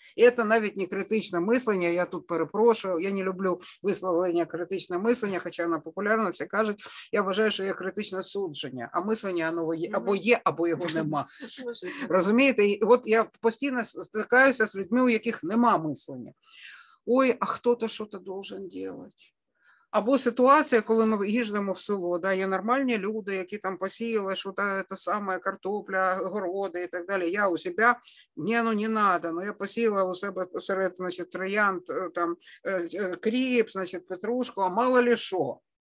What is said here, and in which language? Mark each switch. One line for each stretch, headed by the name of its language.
Ukrainian: І це навіть не критичне мислення, я тут перепрошую, я не люблю висловлення «критичне мислення», хоча воно популярно, всі кажуть, я вважаю, що є критичне судження, а мислення, воно або є, або його нема. Розумієте? І от я постійно стикаюся з людьми, у яких нема мислення.
Russian: Ой, а хто-то що-то должен делать.
Ukrainian: Або ситуація, коли ми їздимо в село, да, є нормальні люди, які там посіяли, що та, та саме картопля, городи і так далі. Я у себе, ні, ну не треба, ну я посіяла у себе серед, значить, троянд, там, кріп, значить, петрушку, а мало ли що.